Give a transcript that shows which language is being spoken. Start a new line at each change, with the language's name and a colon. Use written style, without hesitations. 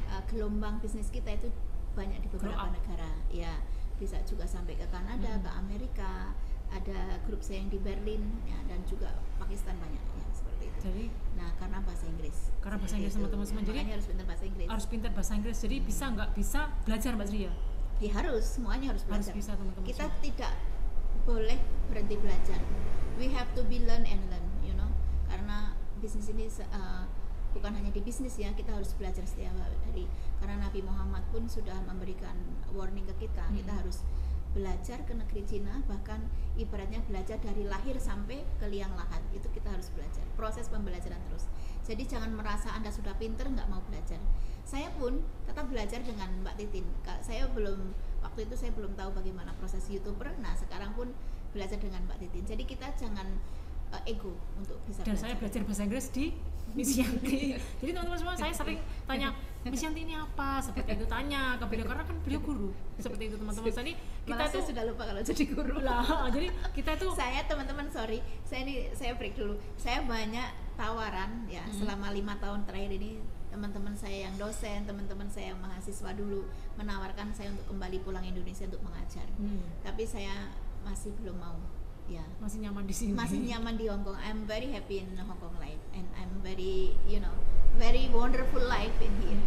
Indonesian: Gelombang bisnis kita itu banyak di beberapa negara. Ya, bisa juga sampai ke Kanada, ke Amerika, ada grup saya yang di Berlin, ya, dan juga Pakistan banyak. Jadi, nah, karena bahasa Inggris. Karena bahasa Inggris sama teman-teman, ya, jadi harus pintar bahasa Inggris. Harus pintar bahasa Inggris. Jadi bisa nggak bisa belajar, Mbak Sri ya? Ya harus, semuanya harus belajar. Harus bisa, teman-teman. Kita tidak boleh berhenti belajar.
English: We have to be learn and learn, you know.
Indonesian: Karena bisnis ini bukan hanya di bisnis ya, kita harus belajar setiap hari. Karena Nabi Muhammad pun sudah memberikan warning ke kita, kita harus belajar ke negeri Cina, bahkan ibaratnya belajar dari lahir sampai ke liang lahat, itu kita harus belajar, proses pembelajaran terus. Jadi jangan merasa Anda sudah pinter, nggak mau belajar. Saya pun tetap belajar dengan Mbak Titin. Saya belum, waktu itu saya belum tahu bagaimana proses YouTuber. Nah, sekarang pun belajar dengan Mbak Titin. Jadi kita jangan ego untuk bisa dan Saya belajar bahasa Inggris di Miss Yanti. Jadi teman-teman semua, saya sering tanya Miss Yanti ini apa, seperti itu, tanya ke beliau karena kan beliau guru, seperti itu teman-teman. Jadi kita tuh sudah lupa kalau jadi guru lah. Jadi kita tuh saya teman-teman, sorry, saya ini saya break dulu. Saya banyak tawaran ya selama 5 tahun terakhir ini. Teman-teman saya yang dosen, teman-teman saya yang mahasiswa dulu menawarkan saya untuk kembali pulang Indonesia untuk mengajar. Tapi saya masih belum mau. Ya, masih nyaman di sini. Masih nyaman di Hong Kong.
English: I'm very happy in Hong Kong life and I'm very, you know, very wonderful life in here.